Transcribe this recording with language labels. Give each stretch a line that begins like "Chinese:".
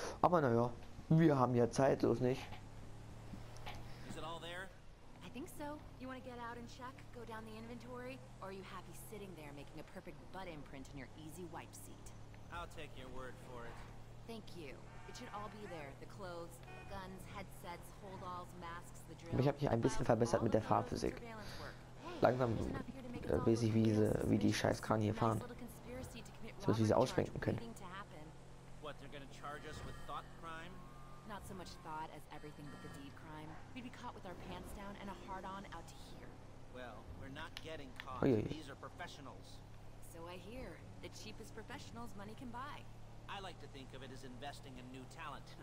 German: Aber naja, wir haben ja Zeit, so ist nicht.
English: Is it all there? I think so. You want to get out and check, go down the inventory, or are you happy sitting there making a perfect butt imprint in your easy wipe seat? I'll take your word for it. Thank you. It should all be there. The clothes, guns, headsets, holdalls, masks, the drill.
German: Ich habe mich ein bisschen verbessert mit der Fahrphysik. Langsam weiß ich, wie die scheiß Kran hier fahren. So wie sie ausschwenken können.
English: What they're gonna charge us with thought crime? Not so much thought as everything but the deed crime. We'd be caught with our pants down and a hard on out to here. Well, we're not getting caught. These are professionals. So I hear. The cheapest professionals money can buy. I like to think of it as investing in new talent.